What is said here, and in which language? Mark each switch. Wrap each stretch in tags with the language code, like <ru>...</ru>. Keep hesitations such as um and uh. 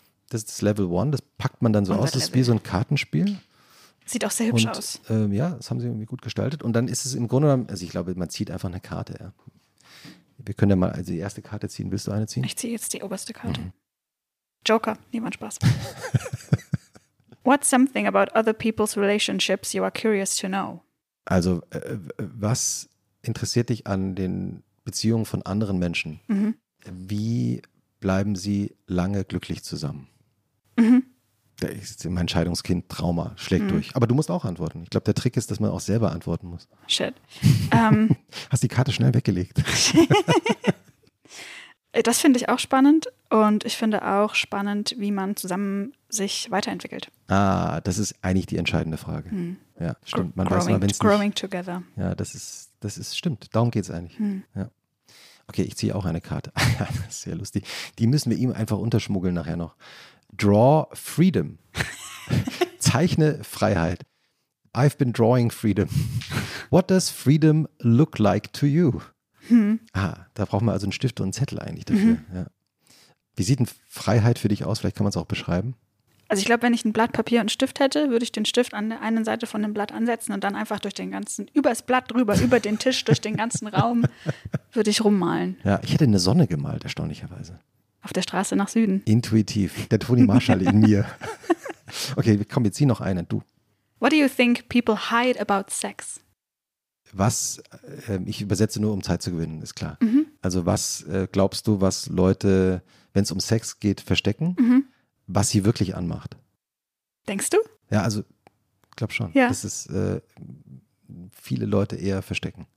<de>Das ist das Level 1, das packt man dann so Unser aus, das ist Level. wie so ein Kartenspiel. Sieht auch sehr hübsch Und, aus. Ähm, ja, das haben sie irgendwie gut gestaltet. Und dann ist es im Grunde genommen, also ich glaube, man zieht einfach eine Karte. Ja. Wir können ja mal, also die erste Karte ziehen. Willst du eine ziehen? Ich ziehe jetzt die oberste Karte. Joker, niemand Spaß.</de> <en>What's something about other people's relationships you are curious to know?</en> <de>Also, äh, was interessiert dich an den Beziehungen von anderen Menschen? Mhm. Wie bleiben sie lange glücklich zusammen? Mhm. Da ist mein Scheidungskind Trauma, schlägt Mhm. durch. Aber du musst auch antworten. Ich glaube, der Trick ist, dass man auch selber antworten muss.</de> <en>Shit. ähm,</en> <de>Hast die Karte schnell weggelegt. das finde ich auch spannend und ich finde auch spannend, wie man zusammen sich weiterentwickelt. ah, das ist eigentlich die entscheidende Frage. Mhm. Ja, stimmt. Gr- Man</de> <en>growing,</en> <de>weiß mal, wenn es</de> <en>Growing together.</en> <de>Ja, das ist, das ist, stimmt. Darum geht es eigentlich. Hm. Ja. Okay, ich ziehe auch eine Karte. das ist sehr lustig. Die müssen wir ihm einfach unterschmuggeln nachher noch.</de> <en>Draw Freedom.</en> <de>Zeichne Freiheit.</de> <en>I've been drawing freedom. What does freedom look like to you? Hm.</en> <de>Ah, da brauchen wir also einen Stift und einen Zettel eigentlich dafür. Ja. Wie sieht denn Freiheit für dich aus? Vielleicht kann man es auch beschreiben. Also ich glaube, wenn ich ein Blatt Papier und einen Stift hätte, würde ich den Stift an der einen Seite von dem Blatt ansetzen und dann einfach durch den ganzen, übers Blatt drüber, über den Tisch, durch den ganzen Raum, würde ich rummalen. Ja, ich hätte eine Sonne gemalt, erstaunlicherweise. Auf der Straße nach Süden. Intuitiv. Der Toni Marschall in mir. Okay, komm, jetzt zieh noch eine. Du.</de> <en>What do you think people hide about sex?</en> <de>Was, ähm, ich übersetze nur, um Zeit zu gewinnen, ist klar. Mhm. Also was äh, glaubst du, was Leute, wenn es um Sex geht, verstecken, Mhm. was sie wirklich anmacht? Denkst du? Ja, also glaub schon. Ja. Das ist äh, viele Leute eher verstecken.</de>